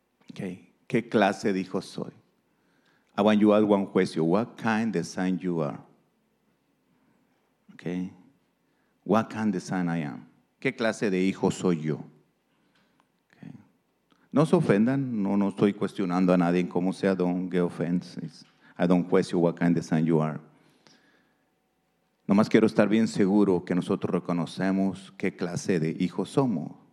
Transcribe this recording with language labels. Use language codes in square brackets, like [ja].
[en] Okay. [es] ¿Qué clase de hijo soy? [en] I want you to ask one question. What kind of son you are? Okay. What kind of son I am? [es] ¿Qué clase de hijo soy yo? [en] Okay. [es] No se ofendan, no estoy cuestionando a nadie. Como sea, [en] don't get offenses. I don't question what kind of son you are. [es] Nomás quiero estar bien seguro que nosotros reconocemos qué clase de hijo somos.